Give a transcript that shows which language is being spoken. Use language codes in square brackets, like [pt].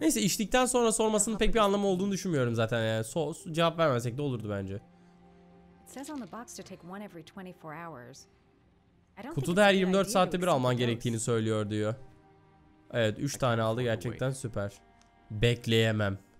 [tr] Neyse, içtikten sonra sormasının pek bir anlamı olduğunu düşünmüyorum zaten ya. Yani. Cevap vermesek de olurdu bence. [en] It says on the box to take one every 24 hours. [tr] Kutuda her 24 saatte bir alman gerektiğini söylüyor diyor. Evet, 3 tane aldı, gerçekten süper. Bekleyemem.